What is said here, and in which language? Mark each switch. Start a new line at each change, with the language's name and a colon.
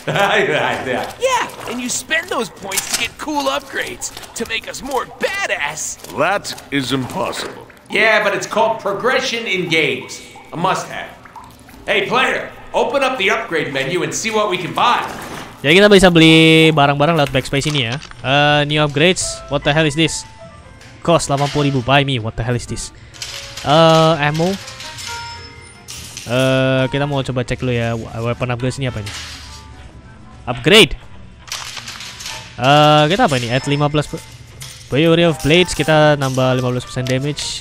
English: Yeah, and you spend those points to get cool upgrades to make us more badass. That is impossible. Yeah, but it's called progression in games. A must have. Hey, player, open up the upgrade menu and see what we can buy.
Indonesian: Jadi kita bisa beli barang-barang lewat backspace ini ya.
English: New upgrades, what the hell is this? Cost 80.000, buy me, what the hell is this? Ammo.
Indonesian: Kita mau coba cek dulu ya, weapon upgrade ini apa ini? Upgrade. Kita apa ini?
English: Add 15% Fury of Blades,
Indonesian: kita nambah 15% damage.